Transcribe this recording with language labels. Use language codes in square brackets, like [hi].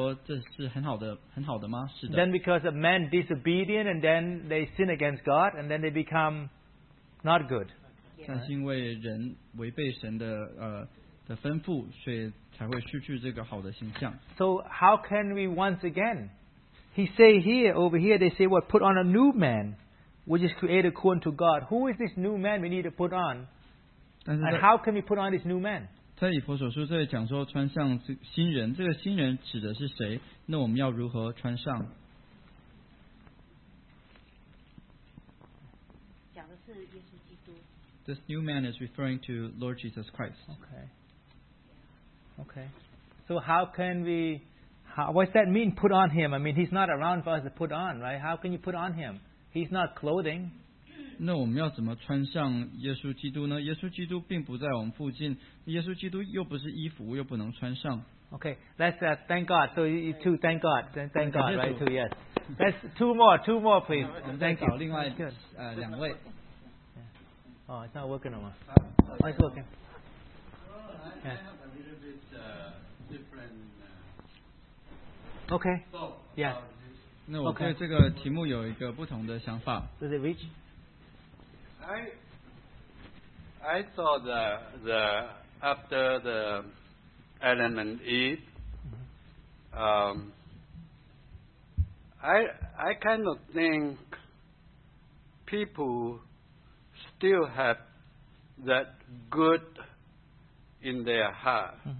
[zh] 所以，起初神创造人，按照自己形象创造，我们是说这是很好的，很好的吗？是的。 [en] Then because of man disobedient, and then they sin against God, and then they become not good. [zh] 但是因为人违背神的吩咐，所以才会失去这个好的形象。So [en] how can we once again? He say here, over here, they say what? Put on a new man, which is created according to God. Who is this new man we need to put on? And how can we put on this new man? [zh] 在以弗所书这里讲说穿上新人，这个新人指的是谁？那我们要如何穿上？讲的是耶稣基督。 [en] This new man is referring to Lord Jesus Christ. Okay. Okay. So how can we... What does that mean, put on him? I mean, he's not around for us to put on, right? How can you put on him? He's not clothing. 那我们要怎么穿上耶稣基督呢?耶稣基督并不在我们附近, 耶稣基督又不是衣服,又不能穿上。 Okay, let's thank God. So you two, thank God. Thank God, right? Two, yes. That's two more, please. Thank you. [zh] 另外两位。 [en] Oh, it's not working anymore. Oh, it's working. Well, I have a little bit different... Okay. Yeah. [zh] 那我对这个题目有一个不同的想法。 [en] Does it reach? I thought the after the Adam and Eve, I kind of think people still have that good in their heart.